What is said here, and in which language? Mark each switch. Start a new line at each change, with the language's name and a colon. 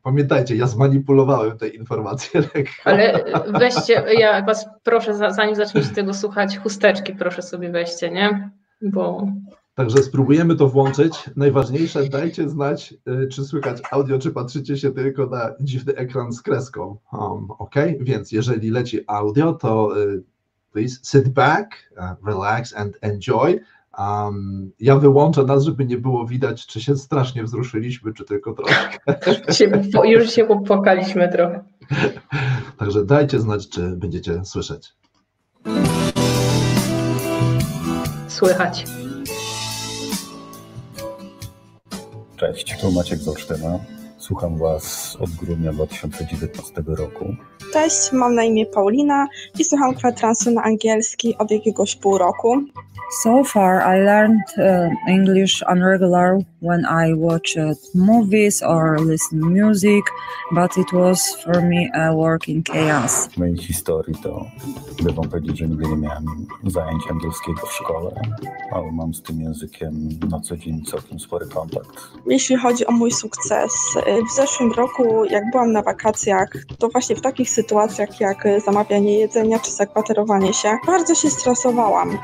Polish: Pamiętajcie, ja zmanipulowałem te informacje lekko. Ale weźcie, ja was proszę, zanim zaczniecie tego słuchać, chusteczki proszę sobie weźcie, nie? Bo... Także spróbujemy to włączyć. Najważniejsze, dajcie znać, czy słychać audio, czy patrzycie się tylko na dziwny ekran z kreską. Ok, więc jeżeli leci audio, to
English: please sit back, relax and enjoy.
Polish: Ja wyłączę nas, żeby nie było widać, czy się strasznie wzruszyliśmy, czy tylko troszkę. Już się popłakaliśmy trochę. Także dajcie znać, czy będziecie słyszeć. Słychać. Cześć, to Maciek z Olsztyna. Słucham was od grudnia 2019 roku. Cześć, mam na imię Paulina i słucham Kwetransu na angielski od jakiegoś pół roku.
English: So far I learned English on regular when I watched movies or listened music, but it was for me a work in chaos.
Polish: W mojej historii to gdy wam powiedzieć, że nigdy nie miałem zajęć angielskiego w szkole, ale mam z tym językiem na co dzień całkiem spory kontakt. Jeśli chodzi o mój sukces, w zeszłym roku jak byłam na wakacjach, to właśnie w takich sytuacjach jak zamawianie jedzenia czy zakwaterowanie się, bardzo się stresowałam.